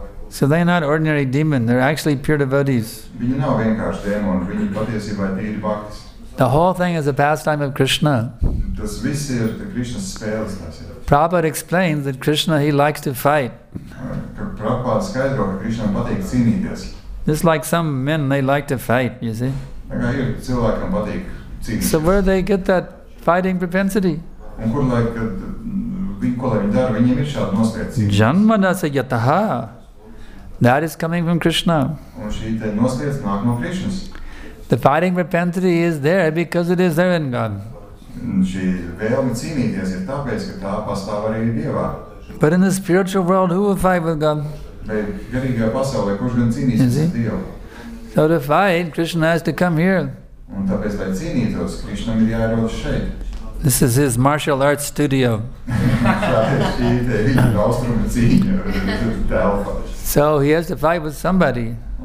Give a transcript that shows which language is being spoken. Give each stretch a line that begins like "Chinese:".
English: So they're not ordinary demon, they're actually pure devotees. The whole thing is a pastime of Krishna.
Latvian: Tas viss ir Krishna spēles, tas ir.
English: Prabhupada explains that Krishna, he likes to fight.
Latvian: Prabhupada skaidro, ka Krishna patīk cīnīties.
English: Just like some men, they like to fight, you see.
Latvian: Kā ir cilvēkam patīk cīnīties.
English: So where they get that fighting propensity?
Latvian: Un kur, lai, kad, ko lai viņi dara, viņiem ir šāda nospēja cīnīties.
Sanskrit: Janmanasa yataha.
English: That is coming from Krishna.
Latvian: Un šī te nospēja nāk no Krishnas.
English: The fighting propensity is there because it is there in God.
Latvian: Šī vēlme cīnīties ir tāpēc, ka tā pastāv arī Dievā.
English: But in the spiritual world, who will fight with God?
Latvian: Bet garīgajā pasaulē, kurš gan cīnīsies ar Dievu?
English: So to fight, Krishna has to come here.
Latvian: Un tāpēc, lai cīnītos, Krishna ir jāierodas šeit.
English: This is his martial arts studio. So he has to fight with somebody.